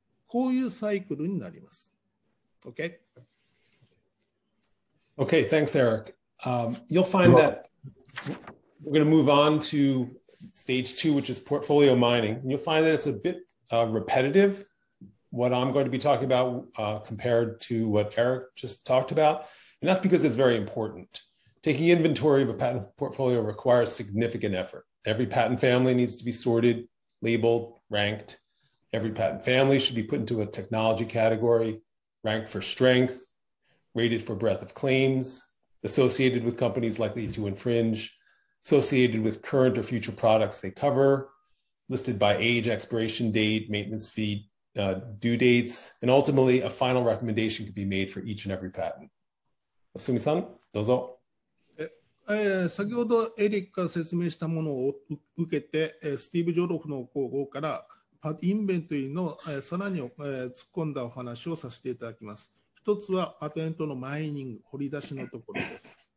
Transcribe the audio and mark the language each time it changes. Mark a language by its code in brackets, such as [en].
[ja] こういうサイクルになります。 [en] OK? Okay, thanks, Eric. You'll find that we're going to move on to stage two, which is portfolio mining. And you'll find that it's a bit repetitive, what I'm going to be talking about compared to what Eric just talked about. And that's because it's very important. Taking inventory of a patent portfolio requires significant effort. Every patent family needs to be sorted, labeled, ranked. Every patent family should be put into a technology category, ranked for strength,rated for breadth of claims, associated with companies likely to infringe, associated with current or future products they cover, listed by age, expiration date, maintenance fee, due dates, and ultimately a final recommendation could be made for each and every patent. [ja] Osumi-san, dozo. 先ほどエリックが説明したものを受けて、スティーブ・ジョロフの広報からインベントリーのさらに突っ込んだお話をさせていただきます。一つはパテントのマイニング、掘り出しのところです。